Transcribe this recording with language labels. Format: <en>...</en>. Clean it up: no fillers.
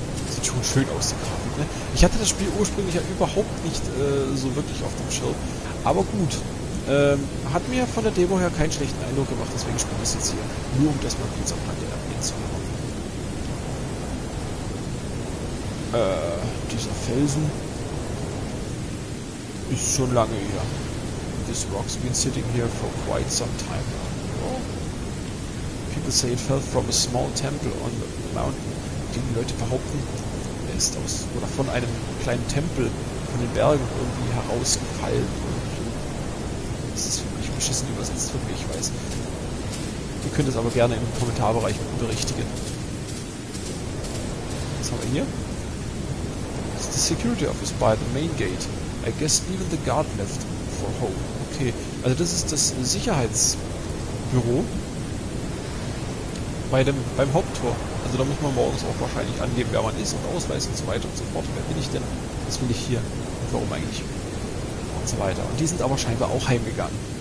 <de>Sieht schon schön aus, die Grafik, ne? Ich hatte das Spiel ursprünglich ja überhaupt nicht so wirklich auf dem Schirm. Aber gut. Hat mir von der Demo her keinen schlechten Eindruck gemacht, deswegen spiele ich es jetzt hier. Nur um das mal kurz am Rande erwähnen zu haben. Dieser Felsen ist schon lange hier.</de> <en>This rock's been sitting here for quite some time. People say it fell from a small temple on the mountain.</en> <de>Die Leute behaupten, er ist aus oder von einem kleinen Tempel von den Bergen irgendwie herausgefallen. Das ist wirklich beschissen übersetzt von mir, ich weiß. Ihr könnt es aber gerne im Kommentarbereich berichtigen. Was haben wir hier? Das ist die</de> <en>Security Office by the main gate. I guess even the guard left for home.</en> <de>Okay, also das ist das Sicherheitsbüro beim Haupttor. Also da muss man morgens auch wahrscheinlich angeben, wer man ist und Ausweis und so weiter und so fort. Wer bin ich denn? Was will ich hier? Und warum eigentlich? Und so weiter. Und die sind aber scheinbar auch heimgegangen.</de>